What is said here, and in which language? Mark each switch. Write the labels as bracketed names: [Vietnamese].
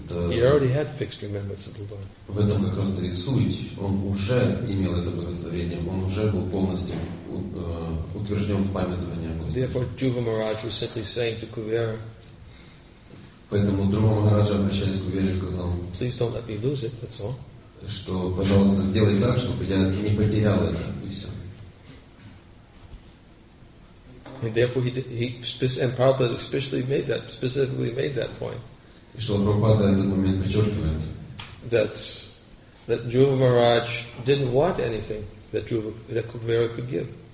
[English] He already had fixed remembrance of the Lord. [Russian] В этом как раз и суть. Он уже имел это благословение. Он уже был полностью утвержден в памятовании. [English] Therefore, Dhruva Maharaj was simply saying to Kuvera. [Russian] Поэтому Дхрува Махарадж обращаясь к Кувере сказал. [English] Please don't let me lose it. That's all. [Russian] Что, пожалуйста, сделай так, чтобы я не потерял это. [English] And therefore, he Prabhupada specifically made that point. That Dhruva Maharaj didn't want anything that Kuvera could give.